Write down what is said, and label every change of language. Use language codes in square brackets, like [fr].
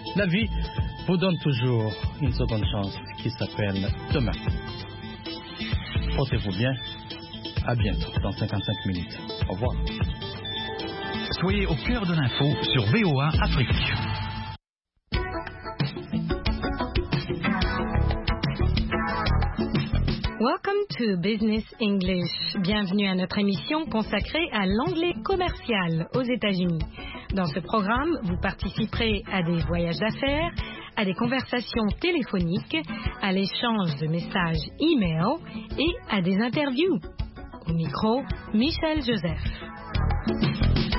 [fr] La vie vous donne toujours une seconde chance qui s'appelle demain. Portez-vous bien. À bientôt dans 55 minutes. Au revoir. Soyez au cœur de l'info sur VOA Afrique. [en] Welcome to Business English. [fr] Bienvenue à notre émission consacrée à l'anglais commercial aux États-Unis. Dans ce programme, vous participerez à des voyages d'affaires, à des conversations téléphoniques, à l'échange de messages e-mail et à des interviews. Au micro, Michel Joseph.